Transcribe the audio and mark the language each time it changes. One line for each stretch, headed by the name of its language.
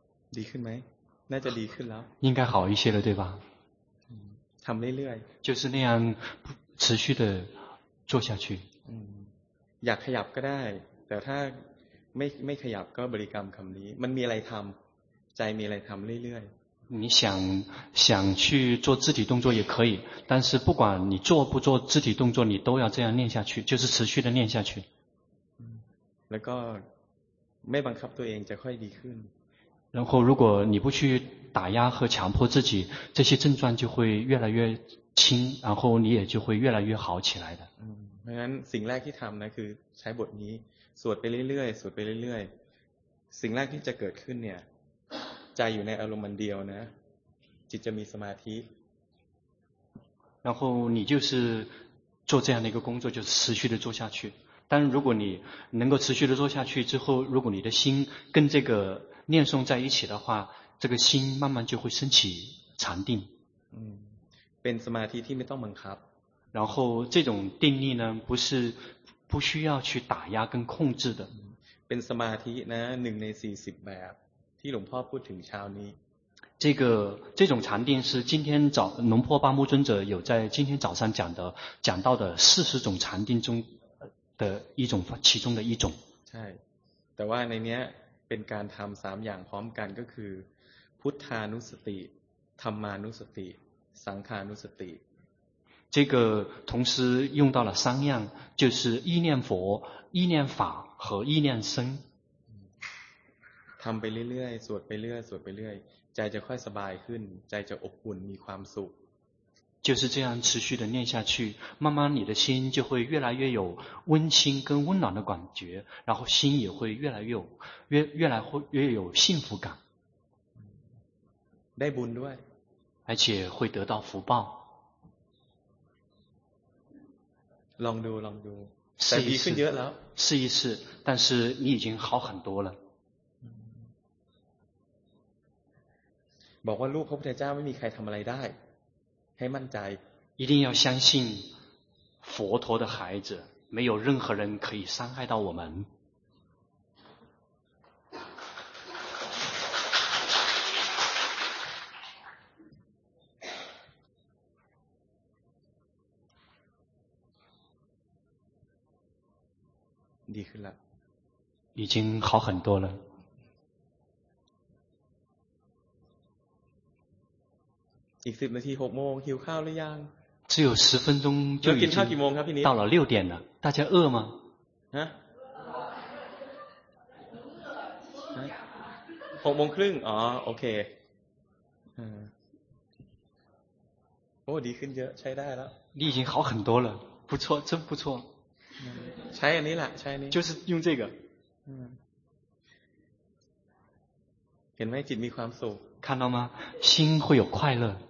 Chinese: 离开没那就离开了应该好一些了对吧他们累了就是那样持续的做下去
Thai: อยากขยับก็ได้แต่ถ้าไม่ขยับก็บริกรรมคำนี้มันมีอะไรทำใจมีอะไรทำเรื่อย
Chinese: ๆ你想想去做肢体动作也可以但是不管你做不做肢体动作你都要这样念下去就是持续的念下去
Thai: แล้วก็ไม่บังคับตัวเองจะค่อยดีขึ้น
Chinese: 然后如果你不去打压和强迫自己这些症状就会越来越轻然后你也就会越来越好起来的
Thai: เพราะฉะนั้นสิ่งแรกที่ทำนะคือใช้บทนี้สวดไปเรื่อยๆสวดไปเรื่อยๆสิ่งแรกที่จะเกิดขึ้นเนี่ยใจอยู่ในอารมณ์มันเดียวนะจิตจะมีสมาธิ
Chinese: 然后你就是做这样的一个工作就持续的做下去但如果你能够持续的做下去之后如果你的心跟这个念诵在一起的话这个心慢慢就会升起禅定
Thai: เป็นสมาธิที่ไม่ต้องบังคับ
Chinese: 然后这种定力呢不是不需要去打压跟控制的
Thai: เป็นสมาธินะ1ใน40แบบที่หลวงพ่อพูดถึงเช้านี้
Chinese: 这种禅定是今天早龙坡巴木尊者有在今天早上讲到的40种禅定中的一种其中的一种
Thai: ใช่แต่ว่าในเนี้ยเป็นการทํา3อย่างพร้อมกันก็คือพุทธานุสติธรรมานุสติสังฆานุสติ
Chinese: 这个同时用到了三样，就是意念佛、意念法和意念僧。
Thai: ทำไปเรื่อยๆ สวดไปเรื่อยๆ สวดไปเรื่อยๆ ใจจะค่อยสบายขึ้น ใจจะอบอุ่น มีความสุข
Chinese: 就是这样持续的念下去，慢慢你的心就会越来越有温馨跟温暖的感觉，然后心也会越来越有幸福感。
Thai: ได้บุญด้วย
Chinese: 而且会得到福报
Thai: ลองดูลองดูแต่ดีขึ้นเยอะแล้ว
Chinese: 试一试但是你已经好很多了
Thai: บอกว่าลูกพระพุทธเจ้าไม่มีใครทำอะไรได้ให้มั่นใจ
Chinese: 一定要相信佛陀的孩子没有任何人可以伤害到我们已经好很多了
Thai: อีก10นาที6โมงหิวข้าวหรือยัง
Chinese: 只有十分钟就已经到了六点了大家饿吗
Thai: 6โมงครึ่งอ๋อโอเคโอ้ดีขึ้นเยอะใช้ได้แล้
Chinese: ว你已经好很多了不错真不错
Thai: ใช้อันนี้แหละใช้อันนี้
Chinese: 就是用这个
Thai: เห็นไหมจิตมีความสุข
Chinese: 看到吗心会有快乐